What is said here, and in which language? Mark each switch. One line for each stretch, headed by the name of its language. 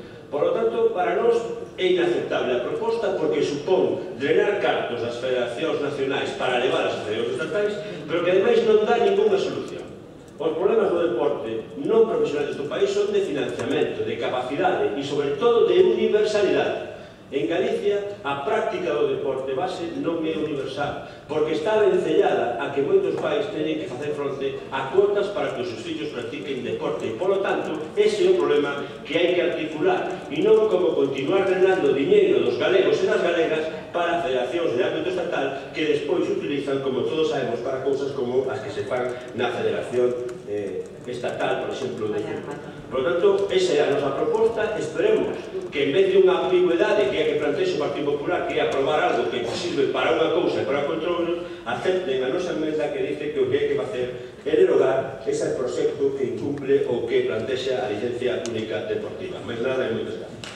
Spanish: Por lo tanto, para nos es inaceptable la propuesta porque supone drenar cartos a las federaciones nacionales para elevar a las federaciones estatales, pero que además no da ninguna solución. Los problemas del deporte no profesional de este país son de financiamiento, de capacidad y sobre todo de universalidad.
Galician: En Galicia, a práctica do deporte base non é universal, porque está vencellada a que moitos pais teñen que facer fronte a cuotas para que os seus fillos practiquen deporte. Por lo tanto, ese é un problema que hai que articular, e non como continuar drenando dinheiro dos galegos e das galegas para federacións de ámbito estatal que despois utilizan, como todos sabemos, para cousas como as que se fan na federación estatal, por exemplo, de fútbol.
Spanish: Por lo tanto, esa era nuestra propuesta. Esperemos que en vez de una ambigüedad de que hay que plantear su Partido Popular, que aprobar algo que sirve para una cosa y para otro, acepten a nuestra enmienda que dice que lo que hay que hacer es derogar ese proyecto que incumple o que plantea la licencia única deportiva. Más nada y muchas gracias.